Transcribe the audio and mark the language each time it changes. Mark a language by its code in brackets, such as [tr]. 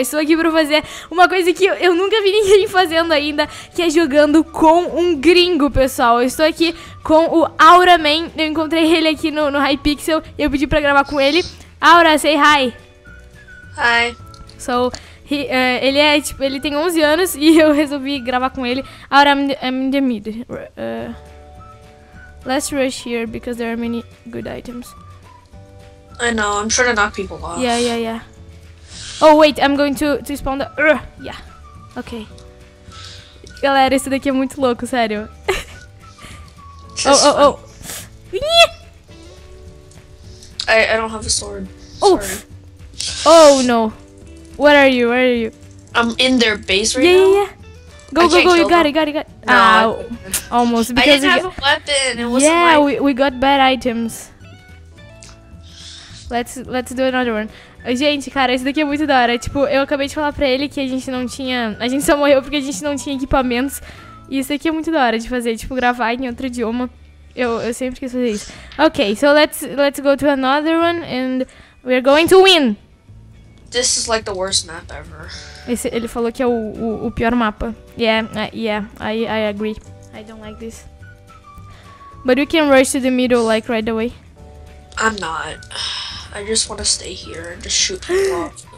[pt] Estou aqui pra fazer uma coisa que eu nunca vi ninguém fazendo ainda, que é jogando com um gringo, pessoal. Eu estou aqui com o Aura Man. Eu encontrei ele aqui no Hypixel e eu pedi pra gravar com ele. [en] Aura, say hi. Hi. [pt] So, ele é tipo, ele tem 11 anos e eu resolvi gravar com ele. [en] Aura, I'm in the mid. Let's rush here because there are many good items. I know, I'm trying to knock people off. Yeah. Oh, wait, I'm going to spawn the... yeah, okay. [pt] Galera, isso daqui é muito louco, sério. Oh. [en] I don't have a sword. Sorry. Oh, no. Where are you? I'm in their base right yeah, now. Yeah. Go, you got it. No, ow. Almost. Because I didn't have a weapon. It yeah, wasn't we got bad items. Let's do another one. [pt] Gente, cara, isso daqui é muito da hora. Tipo, eu acabei de falar pra ele que a gente não tinha... A gente só morreu porque a gente não tinha equipamentos. E isso daqui é muito da hora de fazer. Tipo, gravar em outro idioma. Eu sempre quis fazer isso. Ok, [en] so let's go to another one. And we're going to win. This is like the worst map ever. [pt] Esse, ele falou que é o pior mapa. [en] Yeah, I agree. I don't like this. But we can rush to the middle, like, right away. I'm not. I just want to stay here and just shoot people.